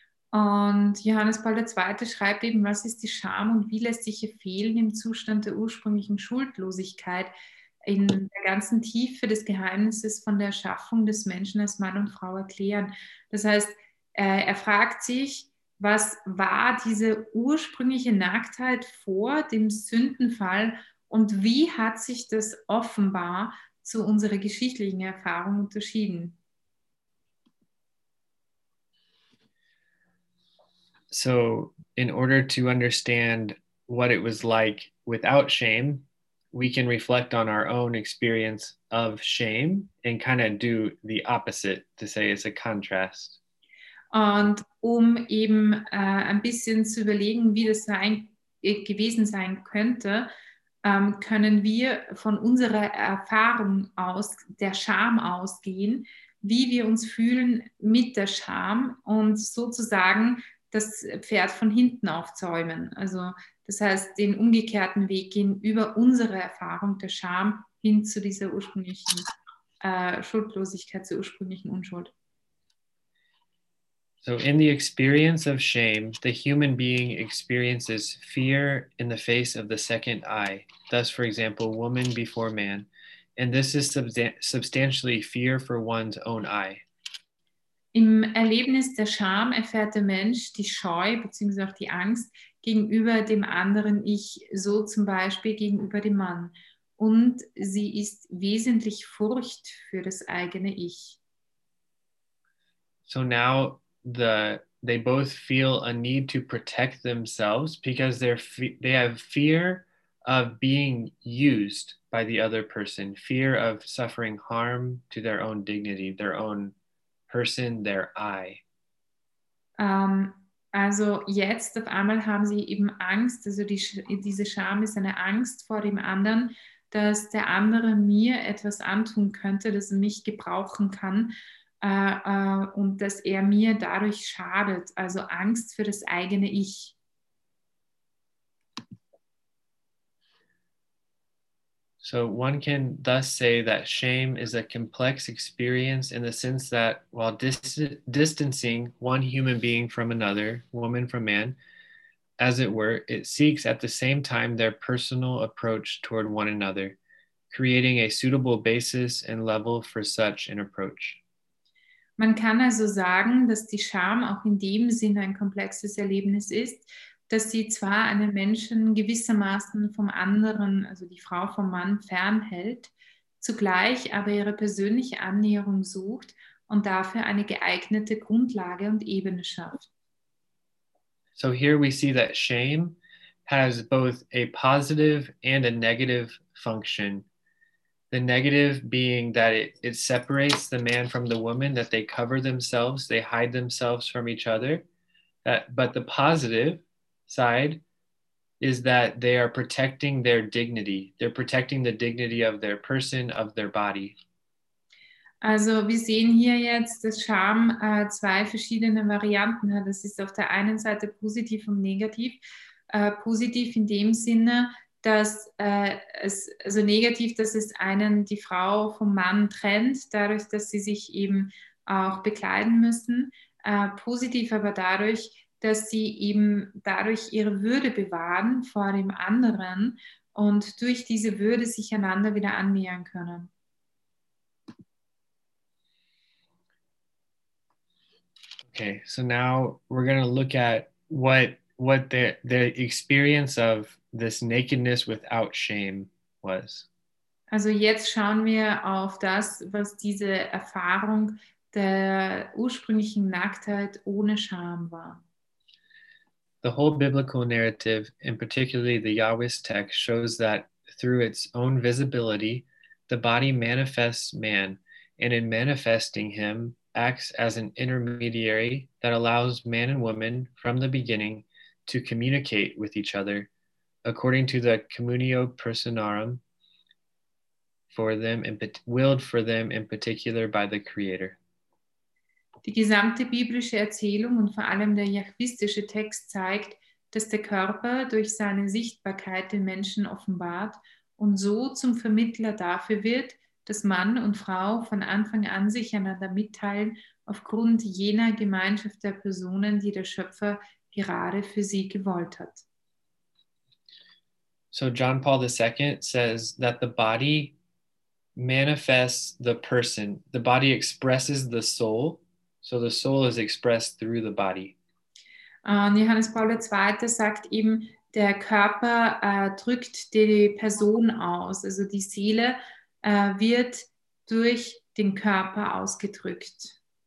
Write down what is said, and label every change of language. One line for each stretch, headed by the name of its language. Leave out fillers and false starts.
German: Und Johannes Paul II. Schreibt eben, was ist die Scham und wie lässt sich fehlen im Zustand der ursprünglichen Schuldlosigkeit in der ganzen Tiefe des Geheimnisses von der Schaffung des Menschen als Mann und Frau erklären. Das heißt, er fragt sich, was war diese ursprüngliche Nacktheit vor dem Sündenfall und wie hat sich das offenbar zu unserer geschichtlichen Erfahrung unterschieden?
English: So, in order to understand what it was like without shame, we can reflect on our own experience of shame and kind of do the opposite, to say it's a contrast.
German: Und um eben ein bisschen zu überlegen, wie das gewesen sein könnte, können wir von unserer Erfahrung aus der Scham ausgehen, wie wir uns fühlen mit der Scham und sozusagen das Pferd von hinten aufzäumen. Also das heißt, den umgekehrten Weg gehen über unsere Erfahrung der Scham hin zu dieser ursprünglichen Schuldlosigkeit, zur ursprünglichen Unschuld.
English: So in the experience of shame, the human being experiences fear in the face of the second eye. Thus, for example, woman before man. And this is substantially fear for one's own eye.
German: Im Erlebnis der Scham erfährt der Mensch die Scheu bzw. auch die Angst gegenüber dem anderen Ich, so zum Beispiel gegenüber dem Mann. Und sie ist wesentlich Furcht für das eigene Ich.
English: So now they both feel a need to protect themselves because they have fear of being used by the other person, fear of suffering harm to their own dignity, their own person, their I.
German: Also jetzt auf einmal haben sie eben Angst, also diese Scham ist eine Angst vor dem anderen, dass der andere mir etwas antun könnte, dass er mich gebrauchen kann. Und dass er mir dadurch schadet, also Angst für das eigene Ich.
English: So one can thus say that shame is a complex experience in the sense that while distancing one human being from another, woman from man, as it were, it seeks at the same time their personal approach toward one another, creating a suitable basis and level for such an approach.
German: Man kann also sagen, dass die Scham auch in dem Sinne ein komplexes Erlebnis ist, dass sie zwar einen Menschen gewissermaßen vom anderen, also die Frau vom Mann, fernhält, zugleich aber ihre persönliche Annäherung sucht und dafür eine geeignete Grundlage und Ebene schafft.
English: So here we see that shame has both a positive and a negative function. The negative being that it separates the man from the woman, that they cover themselves, they hide themselves from each other. But the positive side is that they are protecting their dignity. They're protecting the dignity of their person, of their body.
German: Also wir sehen hier jetzt, dass Scham zwei verschiedene Varianten hat. Das ist auf der einen Seite positiv und negativ. Positiv in dem Sinne, dass es einen die Frau vom Mann trennt, dadurch, dass sie sich eben auch bekleiden müssen. Positiv aber dadurch, dass sie eben dadurch ihre Würde bewahren vor dem anderen und durch diese Würde sich einander wieder annähern können.
English: Okay, so now we're going to look at what the experience of this nakedness without shame was.
German: Also jetzt schauen wir auf das, was diese Erfahrung der ursprünglichen Nacktheit ohne Scham war.
English: The whole biblical narrative, and particularly the Yahweh's text, shows that through its own visibility, the body manifests man, and in manifesting him, acts as an intermediary that allows man and woman from the beginning to communicate with each other, according to the communio personarum for them and willed for them in particular by the Creator.
German: Die gesamte biblische Erzählung und vor allem der jachwistische Text zeigt, dass der Körper durch seine Sichtbarkeit den Menschen offenbart und so zum Vermittler dafür wird, dass Mann und Frau von Anfang an sich einander mitteilen, aufgrund jener Gemeinschaft der Personen, die der Schöpfer gerade für sie gewollt hat.
English: So John Paul II says that the body manifests the person. The body expresses the soul. So the soul is expressed through the body.
German: Johannes Paul II sagt eben, der Körper drückt die Person aus. Also die Seele wird durch den Körper ausgedrückt.